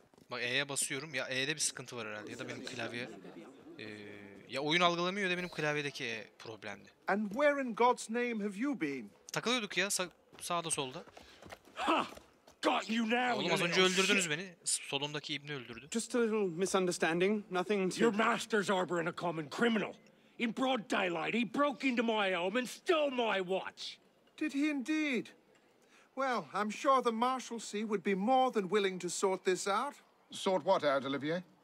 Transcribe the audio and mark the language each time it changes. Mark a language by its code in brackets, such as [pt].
[tr] Bak E'ye basıyorum. Ya E'de bir sıkıntı var herhalde. Ya da benim klavye... ya oyun algılamıyor ya da benim klavyedeki E problemdi. [en] And where in God's name have you been? [tr] Takılıyorduk ya sağda solda. [en] Got you now. [tr] Oğlum az önce öldürdünüz beni. Solumdaki ibni öldürdü. [en] Just a little misunderstanding. Nothing to... Your master's harboring a common criminal. In broad daylight, he broke into my home and stole my watch. Did he indeed? Well, I'm sure the Marshalsea would be more than willing to sort this out. Sort what out, Olivier?